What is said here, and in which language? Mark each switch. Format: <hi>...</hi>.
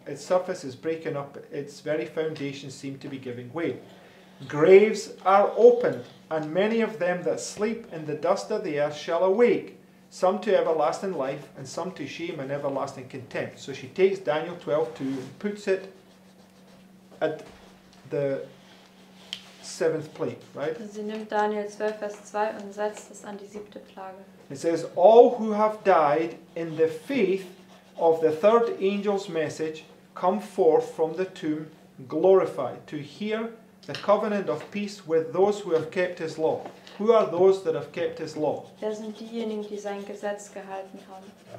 <en>Its surface is breaking up, its very foundations seem to be giving way. Graves are opened, and many of them that sleep in the dust of the earth shall awake, some to everlasting life, and some to shame and everlasting contempt. So she takes Daniel 12:2 and puts it at the seventh plague, right?</en> <de>Sie nimmt Daniel 12, Vers 2 und setzt es an die siebte Plage.</de> <en>It says, all who have died in the faith of the third angel's message come forth from the tomb glorified to hear the covenant of peace with those who have kept his law. Who are those that have kept his law?</en> <de>Wer sind diejenigen, die sein Gesetz gehalten haben?</de>